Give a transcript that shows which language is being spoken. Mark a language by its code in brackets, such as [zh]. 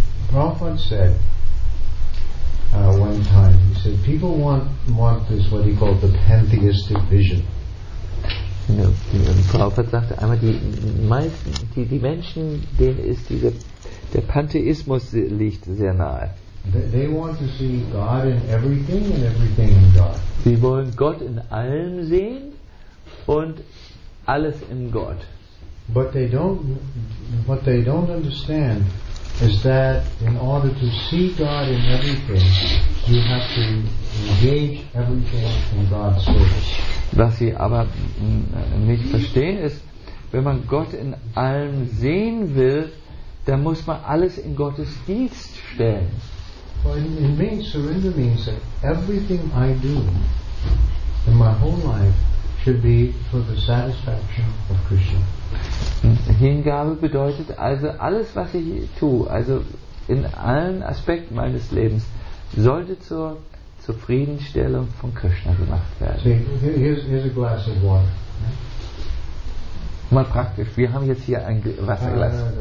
[en] Prabhupada said one time, he said, people want this, what he called the pantheistic vision. [de] Prabhupada sagte einmal, die Menschen, denen ist diese der Pantheismus liegt sehr nahe. [en] They want to see God in everything and everything in God. [de] Sie wollen Gott in allem sehen und alles in Gott. [en] But what they don't understand is that in order to see God in everything, you have to engage everything in God's service. [de] Was sie aber nicht verstehen ist, wenn man Gott in allem sehen will, da muss man alles in Gottes Dienst stellen. [en] In means, surrender means that everything I do in my whole life should be for the satisfaction of Krishna. [de] Hingabe bedeutet also, alles was ich tue, also in allen Aspekten meines Lebens, sollte zur Zufriedenstellung von Krishna gemacht werden. [en] See, here's a glass of water. [de] Mal praktisch, wir haben jetzt hier ein Wasserglas.